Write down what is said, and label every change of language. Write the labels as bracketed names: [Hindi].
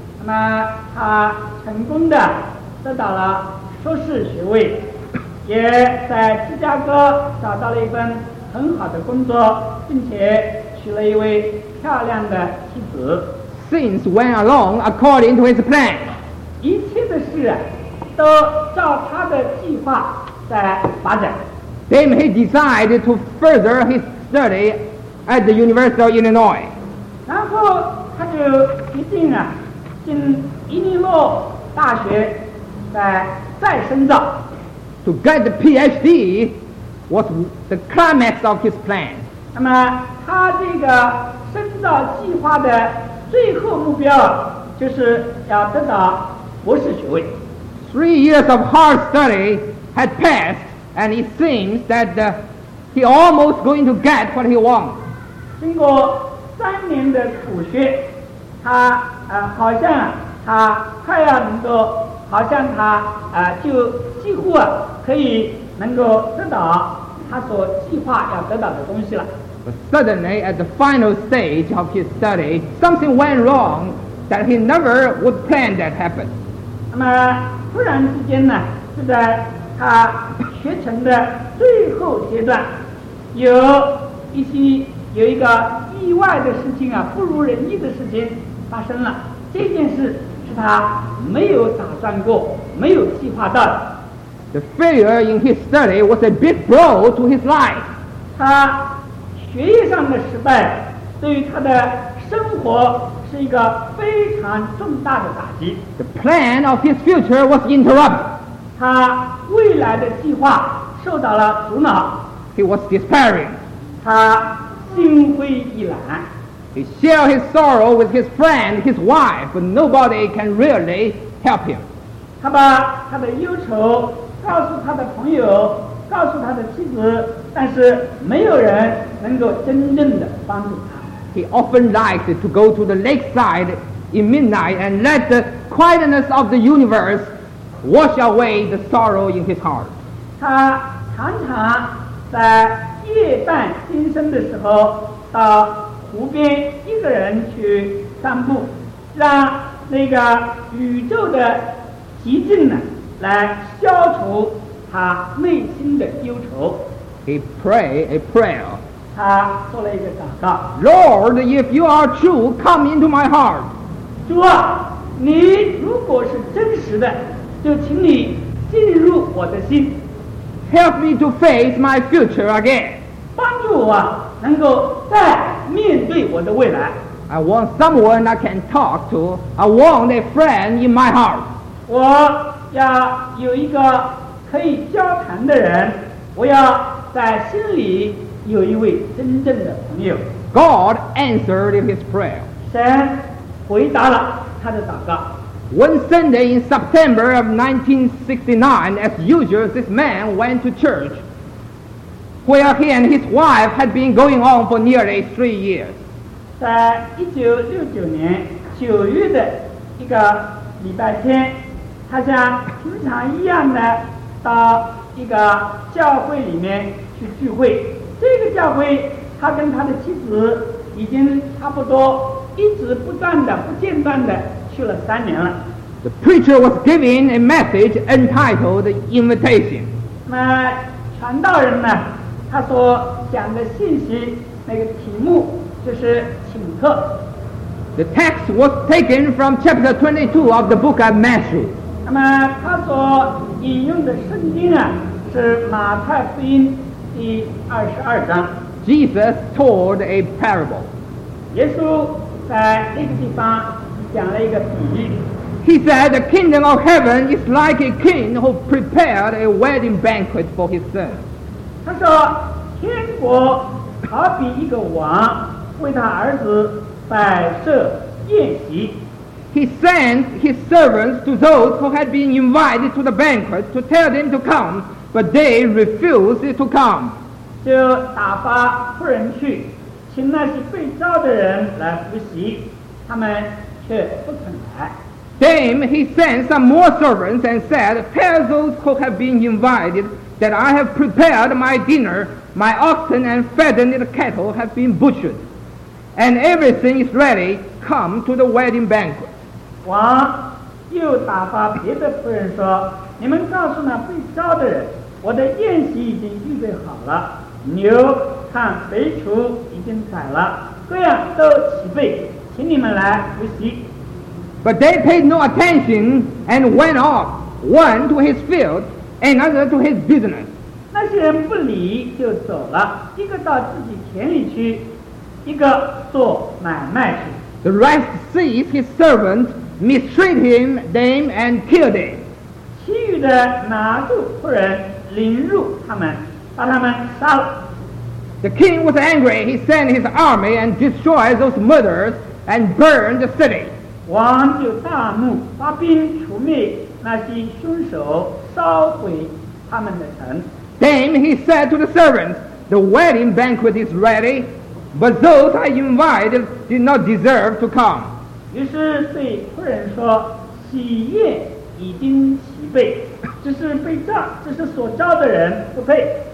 [Chinese] 那么他成功的得到了硕士学位，也在芝加哥找到了一份很好的工作，并且娶了一位漂亮的妻子。 [English] Things went along according to his plan. [Chinese] 一切的事都照他的计划在发展。 [English] Then he decided to further his study at the University of Illinois. [Chinese] 然后他就决定啊，进伊利诺大学再深造。 [English] To get the PhD was the climax of his plan. [Chinese] 那么他这个深造计划的最后目标就是要得到博士学位。 [English] Three years of hard study had passed, and it seems that he almost going to get what he wants. [Chinese] 经过三年的苦学，他好像他快要能够好像他就几乎啊可以能够得到他所计划要得到的东西了。 [English] But suddenly, at the final stage of his study, something went wrong that he never would plan that happen. [Chinese] 那么突然之间呢，是在他学成的最后阶段，有一个意外的事情啊，不如人意的事情发生了。这件事是他没有打算过、没有计划到的。 [English] The failure in his study was a big blow to his life. [Chinese] 他学业上的失败对于他的生活是一个非常重大的打击。 [English] The plan of his future was interrupted. [Chinese] 他未来的计划受到了阻挠。 [English] He was despairing. [Chinese] 他心灰意懒。 [English] He shared his sorrow with his friend, his wife, but nobody can really help him. [Chinese] 他把他的忧愁告诉他的朋友，告诉他的妻子，但是没有人能够真正的帮助他。 [English] He often liked to go to the lakeside in midnight and let the quietness of the universe wash away the sorrow in his heart. [Chinese] 他常常在夜半心生的时候到湖边一个人去散步，让那个宇宙的寂静呢来消除他内心的忧愁。 [English] He prayed a prayer. [Chinese] 他做了一个祷告。 [English] Lord, if you are true, come into my heart. [Chinese] 主啊，你如果是真实的，就请你进入我的心。 [English] Help me to face my future again. [Chinese] 帮助我能够再面对我的未来。 [English] I want someone I can talk to. I want a friend in my heart. [Chinese] 我要有一个可以交谈的人，我要在心里有一位真正的朋友。 [English] God answered his prayer. [Chinese] 神回答了他的祷告。 [English] One Sunday in September of 1969, as usual, this man went to church, where he and his wife had been going on for nearly 3 years. [Chinese] 在1969年九月的一个礼拜天，他像平常一样的到一个教会里面去聚会。这个教会他跟他的妻子已经差不多一直不断的不间断的去了3年了。 [English] The preacher was giving a message entitled Invitation. [Chinese] 那传道人呢，他所讲的信息那个题目就是请客。 [English] The text was taken from chapter 22 of the book of Matthew. [Chinese] 那么他所引用的圣经啊，是马太福音第22章。 [English] Jesus told a parable. [Chinese] 耶稣在那个地方讲了一个比喻。 [English] He said, "The kingdom of heaven is like a king who prepared a wedding banquet for his son." [Chinese] 他说，天国好比一个王为他儿子摆设宴席。 [English] He sent his servants to those who had been invited to the banquet to tell them to come, but they refused to come. [Chinese] 就打发仆人去，请那些被召的人来服席，他们却不肯来。 [English] Then he sent some more servants and said, "Tell those who have been invited that I have prepared my dinner, my oxen and fattened cattle have been butchered, and everything is ready. Come to the wedding banquet." [Chinese] 王又打发别的仆人说，你们告诉那被召的人，我的宴席已经预备好了，牛和肥畜已经宰了，各样都齐备，请你们来服席。 [English] But they paid no attention and went off, one to his field, another to his business. [Chinese] 那些人不理就走了，一个到自己田里去，一个做买卖去。 [English] The rest seized his servant,mistreat him, them, and kill them. [Chinese] 其余的拿住仆人，凌辱他们，把他们杀了。 [English] The king was angry. He sent his army and destroyed those murderers and burned the city. [Chinese] 王就大怒，发兵除灭那些凶手，烧毁他们的城。 [English] Then he said to the servants, "The wedding banquet is ready, but those I invited did not deserve to come." [Chinese] 于是对仆人说，喜宴已经齐备，只是被炸，只是所炸的人不配。